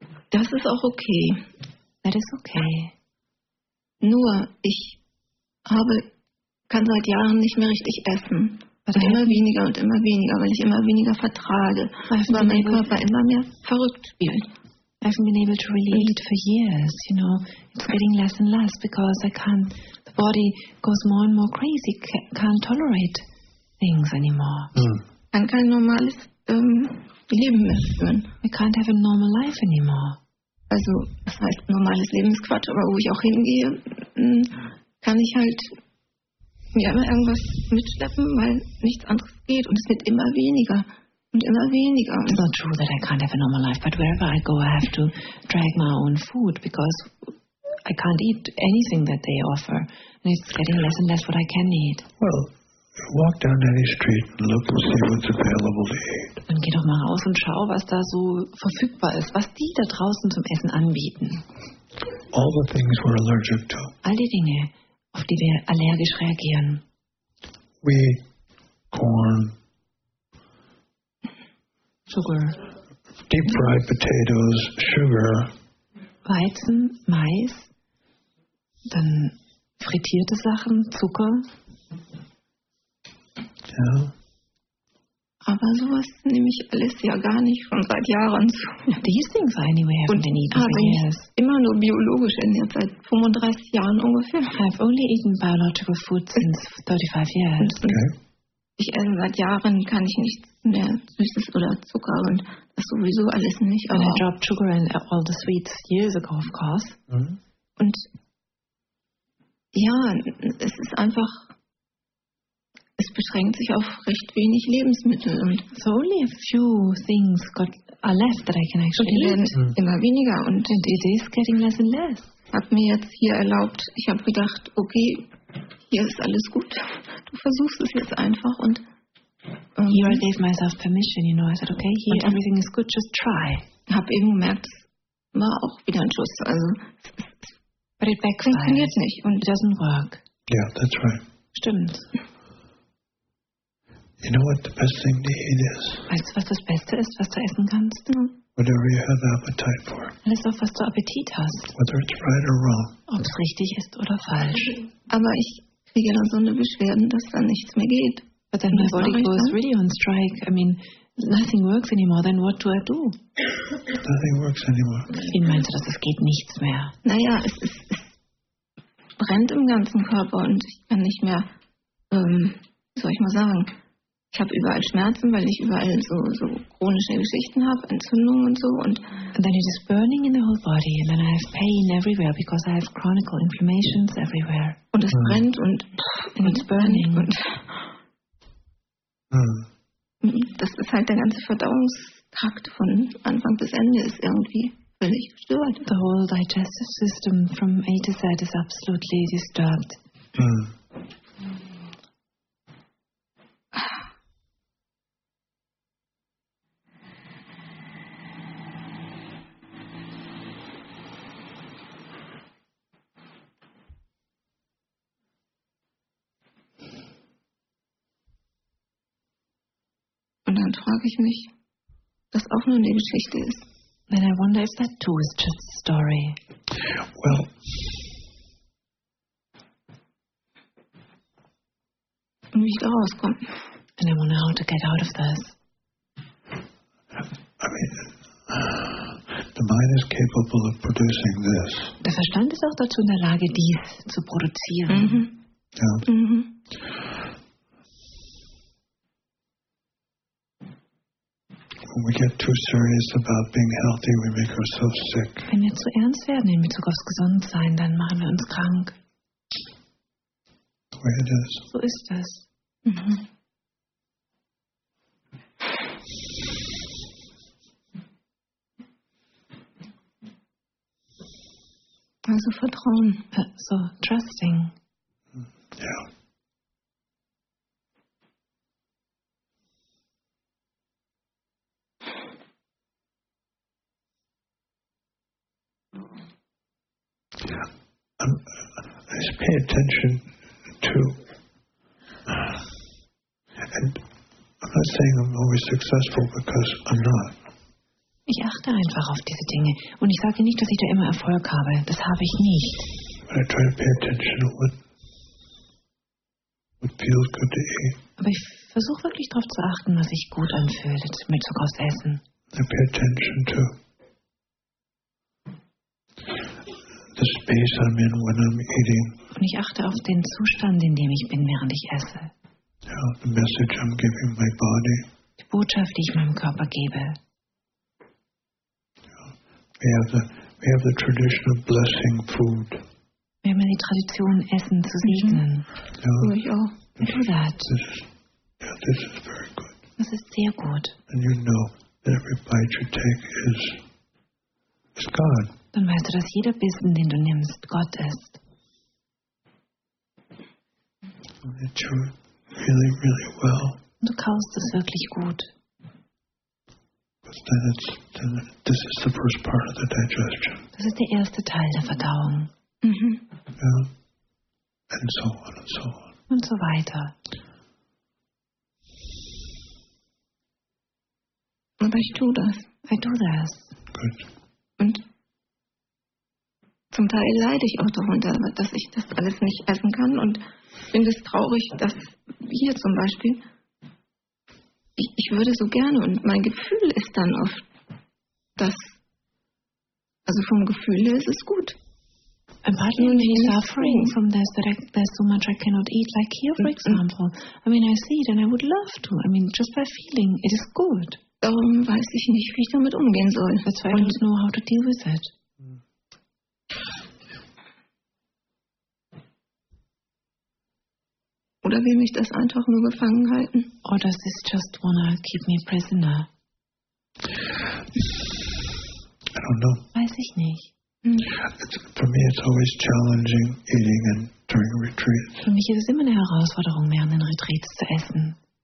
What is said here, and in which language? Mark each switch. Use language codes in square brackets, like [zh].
[de] Das ist auch okay. [en] That is okay. [de] Nur ich kann seit Jahren nicht mehr richtig essen. Immer weniger und immer weniger, weil ich immer weniger vertrage, weil mein Körper immer mehr verrückt spielt. [en] I haven't been able to really eat for years, you know. It's getting less and less because I can't, the body goes more and more crazy, can't tolerate things anymore. [de] Ich kann kein normales Leben mehr führen. [en] I can't have a normal life anymore. [de] Also, das heißt normales Lebensquatsch, aber wo ich auch hingehe, kann ich halt mir immer irgendwas mitschleppen, weil nichts anderes geht und es wird immer weniger und immer weniger. [en] It's not true that I can't have a normal life, but wherever I go I have to drag my own food because I can't eat anything that they offer and it's getting less and less what I can eat. Well, walk down any street and look and see what's available to eat. [de] Dann geh doch mal raus und schau, was da so verfügbar ist, was die da draußen zum Essen anbieten. [en] All the things we're allergic to. [de] All die Dinge, auf die wir allergisch reagieren. [en] Wheat, corn, [de] Zucker, [en] deep fried potatoes, sugar, [de] Weizen, Mais, dann frittierte Sachen, Zucker. Ja. Yeah. Aber sowas nehme ich alles ja gar nicht schon seit Jahren zu. [en] These things I anyway haven't been eaten for years. [de] Immer nur biologisch in der Zeit, 35 Jahren ungefähr. [en] I've only eaten biological food since 35 years. Okay. [de] Ich esse seit Jahren, kann ich nichts mehr Süßes oder Zucker und das sowieso alles nicht. [en] And I dropped sugar and all the sweets years ago, of course. Mm-hmm. [de] Und ja, es ist einfach... Es beschränkt sich auf recht wenig Lebensmittel. Und [en] so only a few things got are left that I can actually eat. [de] Immer weniger. Und [en] it is getting less and less. [de] Hab mir jetzt hier erlaubt, ich habe gedacht, okay, hier ist alles gut. Du versuchst es jetzt einfach. Und [en] here I gave myself permission, you know. I said, okay, here everything is good, just try. [de] Hab eben gemerkt, es war auch wieder ein Schuss. Also, [en] but it backfired. [de] Funktioniert nicht. Und [en] it doesn't work. Yeah, that's right. [de] Stimmt. [en] You know what the best thing to eat is? [de] Weißt du, was das Beste ist, was du essen kannst? [en] Whatever you have appetite for. [de] Alles, auf was du Appetit hast. [en] Whether it's right or wrong. [de] Ob es richtig ist oder falsch. Aber ich kriege dann so eine Beschwerde, dass dann nichts mehr geht. [en] But then my body goes really on strike. I mean, nothing works anymore. Then what do I do? Nothing works anymore. [de] Wie meinst du, dass es geht nichts mehr? Naja, es brennt im ganzen Körper und ich kann nicht mehr, wie soll ich mal sagen... Ich habe überall Schmerzen, weil ich überall so chronische Geschichten habe, Entzündungen und so. Und [en] then it is burning in the whole body, and then I have pain everywhere because I have chronic inflammations everywhere. [de] Und es brennt und [en] it's burning. [de] Und das ist halt der ganze Verdauungstrakt von Anfang bis Ende ist irgendwie völlig gestört. [en] The whole digestive system from A to Z is absolutely disturbed. Mm. [de] dann frage ich mich, ob das auch nur eine Geschichte ist. [en] Then I wonder if that too is just a story. Well, [de] und wie ich da rauskomme. [en] And I wonder how to get out of this. I mean, the mind is capable of producing this. [de] Der Verstand ist auch dazu in der Lage, dies zu produzieren. Mm-hmm. Yeah. Mm-hmm. [en] When we get too serious about being healthy, we make ourselves sick. [de] Wenn wir zu ernst werden in Bezug aufs Gesundsein, dann machen wir uns krank. [en] The way it is. [de] So ist das. Mm-hmm. Also Vertrauen, [en] so trusting. Yeah. Yeah. I just pay attention to. And I'm not saying I'm always successful because I'm not. [de] Ich achte einfach auf diese Dinge. Und ich sage nicht, dass ich da immer Erfolg habe. Das habe ich nicht. Aber ich versuche wirklich darauf zu achten, was sich gut anfühlt, mit Zucker aus Essen. [en] I pay attention to the space I'm in when I'm eating. [de] Und ich achte auf den Zustand, in dem ich bin, während ich esse. [en] Yeah, the message I'm giving my body. [de] Die Botschaft, die ich meinem Körper gebe. [en] We have the tradition of blessing food. [de] Wir haben die Tradition, Essen zu segnen. [en] This is very good. [de] Das ist sehr gut. [en] And you know that every bite you take is God. [de] Dann weißt du, dass jeder Bissen, den du nimmst, Gott ist. [en] That you're really, really well. [de] Du kaust es wirklich gut. [en] This is the first part of the digestion. [de] Das ist der erste Teil der Verdauung. Mm-hmm. [en] Yeah. And so on and so on. [de] Und so weiter. Aber ich tue das. [en] I do this. Good. [de] Und zum Teil leide ich auch darunter, dass ich das alles nicht essen kann und finde es traurig, dass hier zum Beispiel. Ich würde so gerne und mein Gefühl ist dann oft das. Also vom Gefühl her ist es gut. [en] I'm partly suffering from this, there's so much I cannot eat, like here for example. I mean, I see it and I would love to. I mean, just by feeling, it is good. [de] Darum weiß ich nicht, wie ich damit umgehen soll. [en] That's why I don't know how to deal with it. [de] Oder will mich das einfach nur gefangen halten? [en] Or does this just wanna keep me prisoner? I don't know. [de] Weiß ich nicht. [en] For me it's always challenging eating and during retreats. [de] Für mich ist es immer eine Herausforderung, während den Retreats zu essen.